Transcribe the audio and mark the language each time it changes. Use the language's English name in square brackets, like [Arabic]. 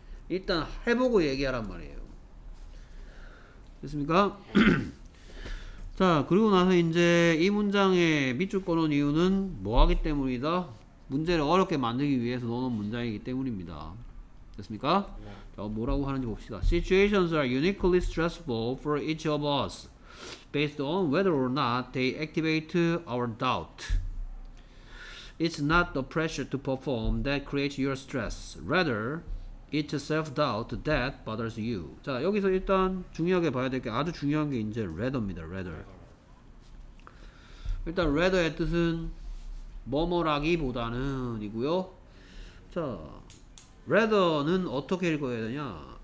[Korean] 일단 해보고 얘기하란 말이에요. 됐습니까? 자 그리고 나서 이제 이 문장에 밑줄 꺼놓은 이유는 뭐 하기 때문이다? 문제를 어렵게 만들기 위해서 넣어놓은 문장이기 때문입니다. 됐습니까? 자 뭐라고 하는지 봅시다. [English] Situations are uniquely stressful for each of us based on whether or not they activate our doubt. It's not the pressure to perform that creates your stress. Rather, it's self-doubt that bothers you. [Korean] 자, 여기서 일단 중요하게 봐야 될 게 아주 중요한 게 이제 rather입니다. Rather. 일단 rather의 뜻은 뭐뭐라기보다는 이고요. 자, rather는 어떻게 읽어야 되냐?